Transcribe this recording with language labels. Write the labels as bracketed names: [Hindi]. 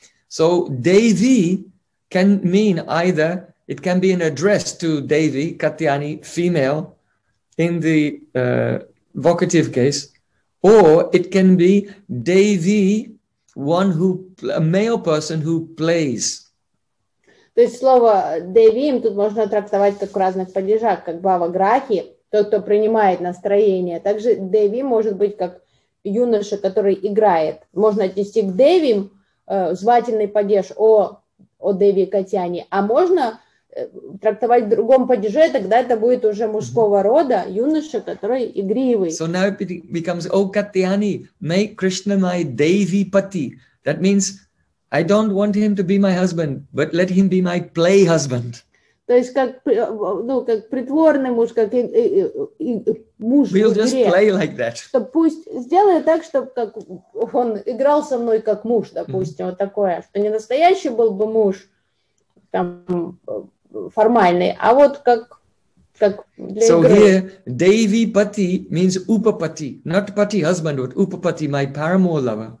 [English] So, Devi can mean either, it can be an address to Devi, Katayani, female, in the vocative case, or it can be Devi, one who a male person who plays. [Russian] То есть слово Devi им тут можно трактовать как в разных падежах, как Бава Грахи, тот, кто принимает настроение. Также Devi может быть как юноша, который играет. Можно отнести к Devi звательный падеж о Devi Катьяне, а можно трактовать в другом падеже, тогда это будет уже мужского рода, юноша, который игривый. [English] So now it becomes, O Katayani, make Krishna my Devi Pati. That means, I don't want him to be my husband, but let him be my play husband. [Russian] То есть как, ну, как притворный муж, как муж [English] we'll [Russian] в [English] just [Russian] игре. [English] Play like that. [Russian] Что пусть сделает так, чтобы как он играл со мной как муж, допустим, вот такое. Что не настоящий был бы муж, там, формальный, а вот как для [English] so [Russian] игры. [English] Here, Devi Pati means Upapati. Not Pati husband, but Upapati, my paramour lover.